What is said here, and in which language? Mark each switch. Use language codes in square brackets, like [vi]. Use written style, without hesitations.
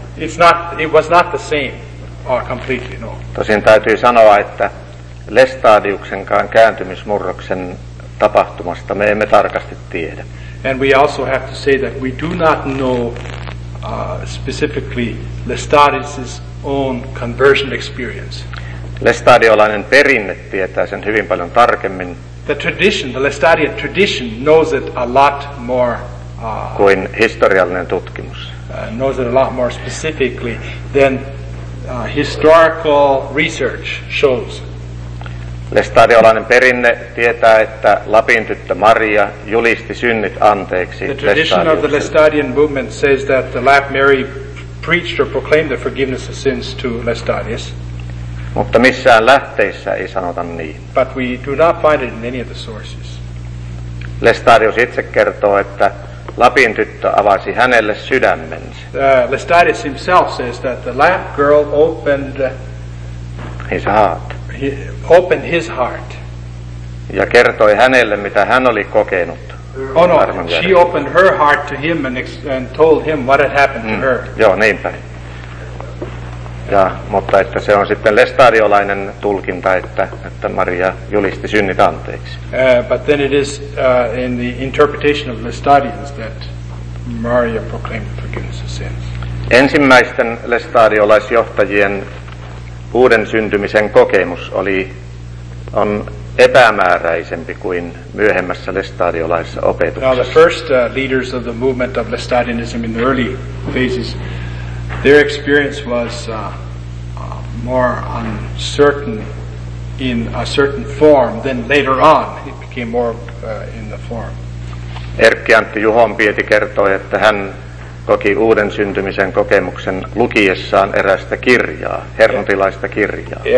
[en] It's not, it was not the same or completely, no. [fi] Tosin täytyy sanoa, että Lestadiuksenkaan kääntymismurroksen tapahtumasta me emme tarkasti tiedä. [en] And we also have to say that we do not know specifically Lestadius's own conversion experience. [fi] Lestadiolainen perinne tietää sen hyvin paljon tarkemmin. [en] The tradition, the Lestadian tradition knows it a lot more [fi] kuin historiallinen tutkimus. [en] Knows it a lot more specifically than historical research shows. [fi] Lestadiolainen perinne tietää, että Lapin tyttö Maria julisti synnit anteeksi. [en] The tradition of the Lestadian movement says that the Lap Mary preached or proclaimed the forgiveness of sins to Lestadius. [fi] Mutta missään lähteissä ei sanota niin. [en] But we do not find it in any of the sources. [fi] Lestadius itse kertoo, että Lapin tyttö avasi hänelle sydämensä. [en] Lestadius himself says that the Lap girl opened his heart. He opened his heart. [fi] Ja kertoi hänelle, mitä hän oli kokenut. [en] Oh no, she opened her heart to him and told him what had happened to her. [fi] Joo, niinpä. Ja, mutta että se on sitten lestadiolainen tulkinta, että Maria julisti synnit anteeksi. [en] But then it is in the interpretation of Lestadians that Maria proclaimed forgiveness of sins. [fi] Ensimmäisten lestadiolaisjohtajien uuden syntymisen kokemus on epämääräisempi kuin myöhemmässä lestadiolaisessa opetuksessa. [en] Now the first leaders of the movement of Lestadianism in the early phases, their experience was more uncertain in a certain form, then later on it became more in the form. [fi] Erkki-Antti Juhonpieti kertoi, että hän koki uuden syntymisen kokemuksen lukiessaan erästä kirjaa, hernutilaista kirjaa.